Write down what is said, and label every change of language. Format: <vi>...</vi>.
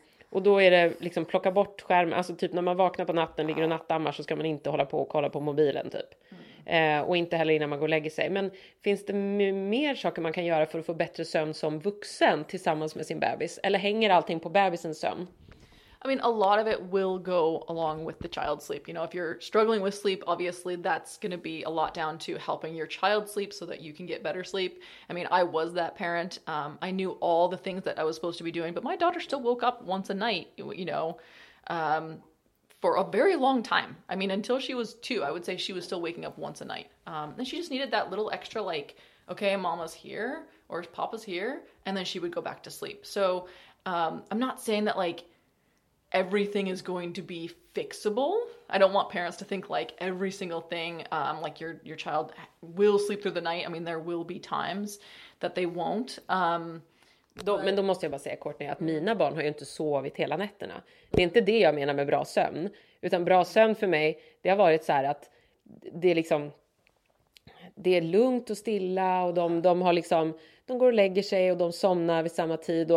<sv>Och då är det liksom plocka bort skärmen, alltså typ när man vaknar på natten, ligger och nattammar, så ska man inte hålla på och kolla på mobilen typ. Och inte heller innan man går och lägger sig. Men finns det mer saker man kan göra för att få bättre sömn som vuxen tillsammans med sin bebis? Eller hänger allting på bebisens sömn?</sv> <en>I mean, a lot of it will go along with the child's sleep. You know, if you're struggling with sleep, obviously that's going to be a lot down to helping your child sleep so that you can get better sleep. I mean, I was that parent. I knew all the things that I was supposed to be doing, but my daughter still woke up once a night, you know, for a very long time. I mean, until she was two, I would say she was still waking up once a night. And she just needed that little extra, like, okay, mama's here or papa's here. And then she would go back to sleep. So I'm not saying that, like, everything is going to be fixable. I don't want parents to think, like, every single thing, like, your child will sleep through the night. I mean, there will be times that they won't.</en> <sv>Men då måste jag bara säga kort nu att mina barn har ju inte sovit hela nätterna. Det är inte det jag menar med bra sömn. Utan bra sömn för mig, det har varit så här att det är liksom, det är lugnt och stilla och de har liksom, de går och lägger sig och de somnar vid samma tid.</sv>